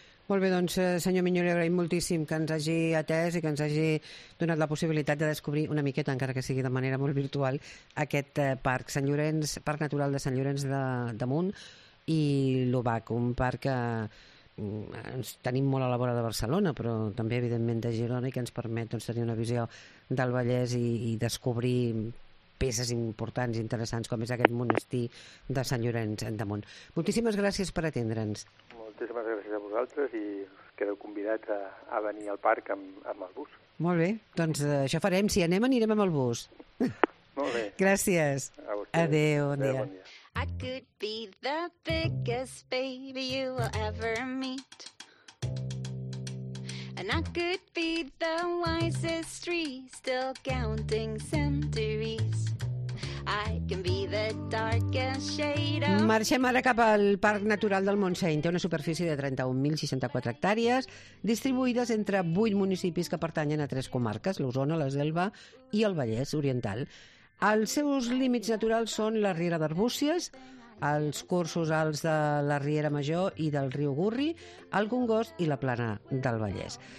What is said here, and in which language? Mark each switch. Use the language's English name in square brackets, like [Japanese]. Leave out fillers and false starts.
[Catalan] Molt bé, doncs, senyor Minyó, li agraïm moltíssim que ens hagi atès i que ens hagi donat la possibilitat de descobrir una miqueta, encara que sigui de manera molt virtual, aquest parc, Sant Llorenç, Parc Natural de Sant Llorenç de Munt i l'Obac, un parc que ens tenim molt a la vora de Barcelona, però també, evidentment, de Girona, i que ens permet doncs, tenir una visió del Vallès i descobrir peces importants i interessants, com és aquest monestir de Sant Llorenç de Munt. Moltíssimes gràcies per atendre'ns. Moltíssimes gràcies a vosaltres i us quedeu convidats a venir al parc amb el bus. Molt bé, doncs això farem. Si anem, anirem amb el bus. Molt bé. Gràcies. A vostè. Adéu, bon dia. [English] I could be the biggest baby you will ever meet. And I could be the wisest tree still counting centuries. I can be the darkest shade of... [Catalan] Marxem ara cap al Parc Natural del Montseny. Té una superfície de 31.064 hectàrees distribuïdes entre 8 municipis que pertanyen a 3 comarques, l'Osona, la Selva i el Vallès Oriental. Els seus límits naturals són la Riera d'Arbúcies, els cursos alts de la Riera Major i del riu Gurri, el Congost i la Plana del Vallès.